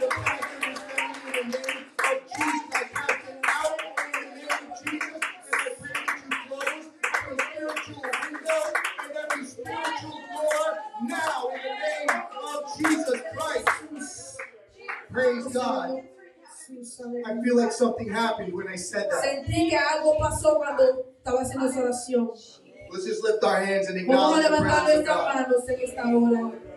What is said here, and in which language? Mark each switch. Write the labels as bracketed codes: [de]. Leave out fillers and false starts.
[en] The pastor is coming in the name of Jesus. I cast them out in the name of Jesus. And I pray that you close the spiritual window and every spiritual door now in the name of Jesus Christ. Praise God. I feel like something happened when I said that. [es] Sentí que algo pasó cuando estaba haciendo esa oración. [en] Let's just lift our hands and acknowledge the presence of God.